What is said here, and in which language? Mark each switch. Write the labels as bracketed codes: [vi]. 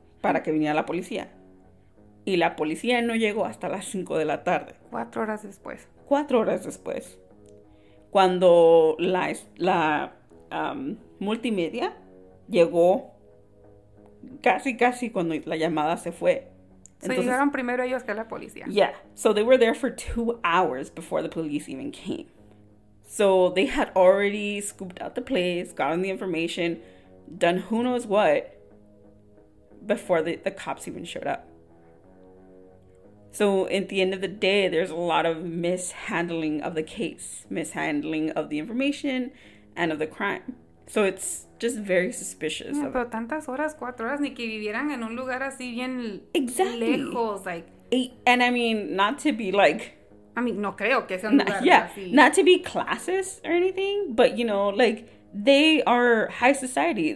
[es] Para que viniera la policía. Y la policía no llegó hasta las 5 de la tarde. 4 horas después. 4 horas después. Cuando la multimedia llegó casi cuando la llamada se fue. Entonces, llegaron primero ellos que la policía. [en] Yeah. So they were there for 2 hours before the police even came. So they had already scooped out the place, gotten the information, done who knows what. Before the cops even showed up. So at the end of the day, there's a lot of mishandling of the case, mishandling of the information and of the crime. So it's just very suspicious. [es] Yeah, pero tantas horas, 4 horas, ni que vivieran en un lugar así bien exactly. Lejos. Like, [en] and I mean, not to be like, I mean, [es] no creo que sea un lugar así. [en] Not to be classist or anything, but you know, like, they are high society.